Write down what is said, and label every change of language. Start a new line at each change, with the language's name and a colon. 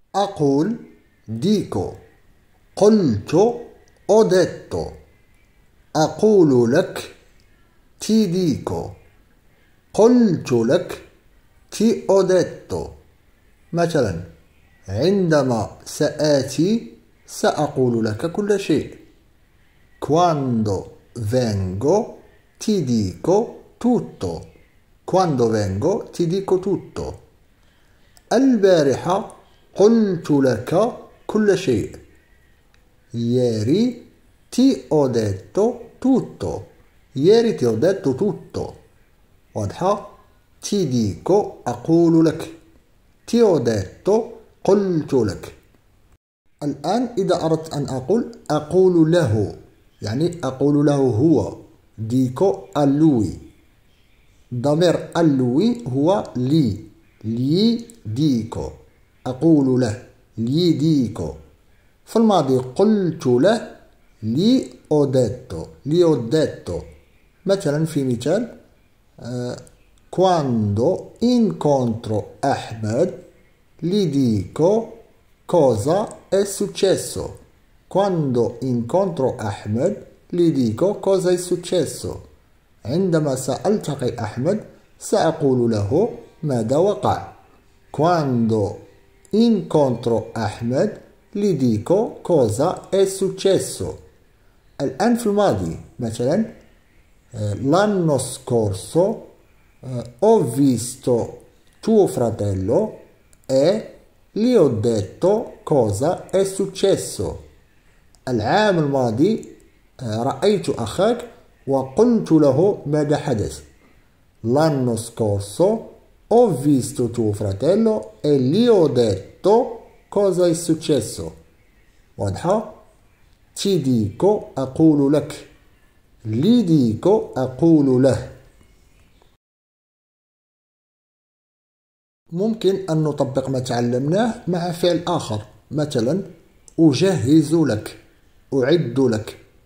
Arabic: أقول ديكو، قلت أوديتو، أقول لك تي ديكو، قلت لك تي أوديتو. مثلا عندما سآتي سأقول لك كل شيء.
Italian: Quando vengo ti dico tutto. Quando vengo ti dico tutto.
Arabic: البارحة قلت لك كل شيء.
Italian: Ieri ti ho detto tutto. Ieri ti ho detto tutto.
Arabic: واضحة؟
Italian: ti dico
Arabic: أقول لك.
Italian: ti ho detto
Arabic: قلت لك. الآن إذا أردت أن أقول أقول له، يعني أقول له هو، ديكو ألوي، ضمير ألوي هو لي، لي ديكو، أقول له لي ديكو. في الماضي قلت له لي أوديتو، لي أوديتو. مثلا في مثال كواندو إنكونترو أحمد لي ديكو
Italian: cosa è successo. Quando incontro Ahmed gli dico cosa è successo.
Arabic: عندما سألتقي أحمد سأقول له ماذا وقع.
Italian: Quando incontro Ahmed gli dico cosa è successo.
Arabic: الآن في الماضي مثلا
Italian: l'anno scorso ho visto tuo fratello e gli ho detto cosa è successo.
Arabic: العام الماضي رأيت أخاك وقلت له ماذا حدث.
Italian: L'anno scorso ho visto tuo fratello e gli ho detto cosa è successo.
Arabic: واضحة؟
Italian: ti dico
Arabic: أقول لك،
Italian: li dico
Arabic: أقول له. ممكن أن نطبق ما تعلمناه مع فعل آخر، مثلا أجهز لك، أعد لك.